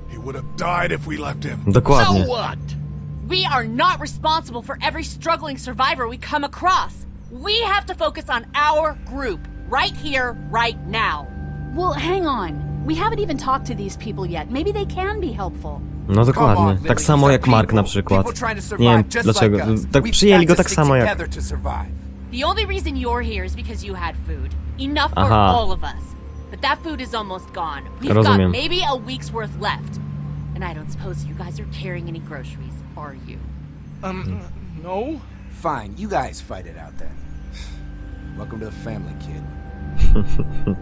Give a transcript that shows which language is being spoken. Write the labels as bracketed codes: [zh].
[en] He would have died if we left him. [pl] Dokładnie. [en] So what? We are not responsible for every struggling survivor we come across. We have to focus on our group, right here, right now. Well, hang on. We haven't even talked to these people yet. Maybe they can be helpful. [pl] No dokładnie. Tak samo jak Mark na przykład. Nie wiem dlaczego. Tak przyjęli go tak samo jak... [en] The only reason you're here is because you had food. Enough for all of us. But that food is almost gone. We've got maybe a week's worth left. And I don't suppose you guys are carrying any groceries, are you? No. Fine, you guys fight it out then. Welcome to the family, kid.